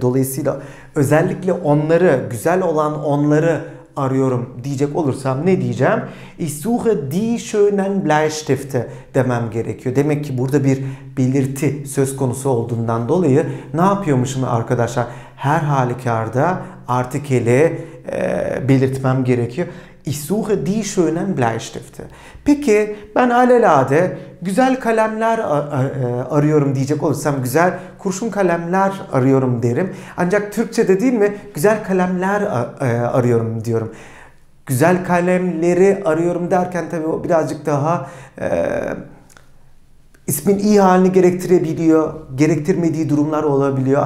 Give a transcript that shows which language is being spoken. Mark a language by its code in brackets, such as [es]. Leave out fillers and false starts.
[tr] Dolayısıyla özellikle onları, güzel olan onları arıyorum diyecek olursam ne diyeceğim? [de] Ich suche die schönen Bleistifte [tr] demem gerekiyor. Demek ki burada bir belirti söz konusu olduğundan dolayı ne yapıyormuşum arkadaşlar? Her halükarda artikeli belirtmem gerekiyor. [de] Ich suche die schönen Bleistifte. [tr] Peki ben alelade güzel kalemler arıyorum diyecek olursam güzel kurşun kalemler arıyorum derim. Ancak Türkçe'de değil mi? Güzel kalemler arıyorum diyorum. Güzel kalemleri arıyorum derken tabii o birazcık daha ismin i halini gerektirebiliyor, gerektirmediği durumlar olabiliyor.